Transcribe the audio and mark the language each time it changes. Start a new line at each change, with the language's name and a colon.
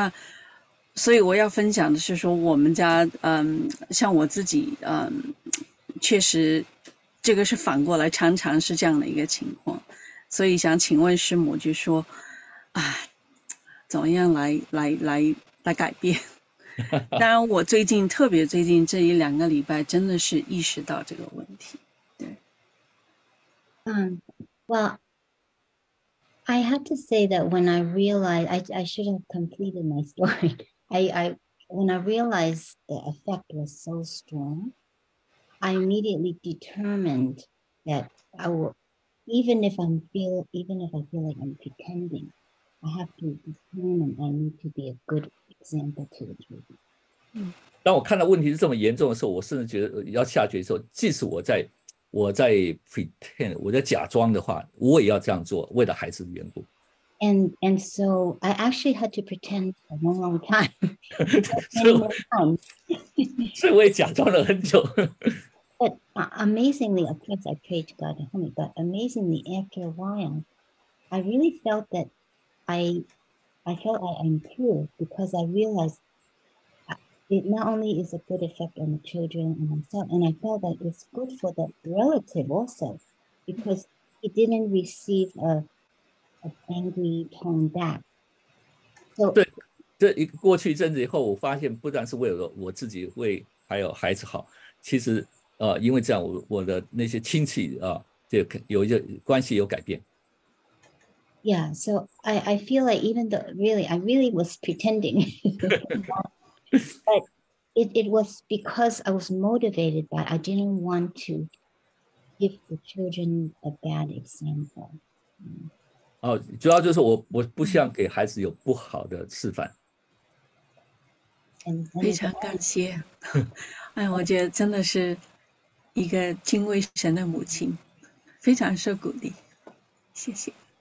Chinese: 那所以我要分享的是说，我们家像我自己确实这个是反过来，常常是这样的一个情况。所以想请问师母，就说啊，怎么样来改变？当然，我最近特别最近这一两个礼拜，真的是意识到这个问题。
English: Well, I have to say that when I realized I should have completed my story. When I realized the effect was so strong, I immediately determined that I will, even if I feel like I'm pretending, I have to determine I need to be a good example to the children.
Chinese: 当我看到问题是这么严重的时候，我甚至觉得要下决心说，即使我在 pretend，我在假装的话，我也要这样做，为了孩子的缘故。
English: And so I actually had to pretend for a long time, many more
Chinese: 所以我也假装了很久。
English: times. But amazingly, of course, I prayed to God to help me. But amazingly, after a while, I really felt that I felt I improved because I realized it not only is a good effect on the children and myself, and I felt that it's good for the relative also because he didn't receive an angry tone back. So,
Chinese: 这一过去一阵子以后，我发现不但是为了我自己，为还有孩子好，其实因为这样，我的那些亲戚就有一些关系有改变。
English: yeah, so I feel like even though really, I really was pretending. But it was because I was motivated by I didn't want to give the children a bad example.
Chinese: 哦，主要就是我不想给孩子有不好的示范。
English: And
Chinese: 非常感谢，哎，我觉得真的是一个敬畏神的母亲，非常受鼓励，谢谢。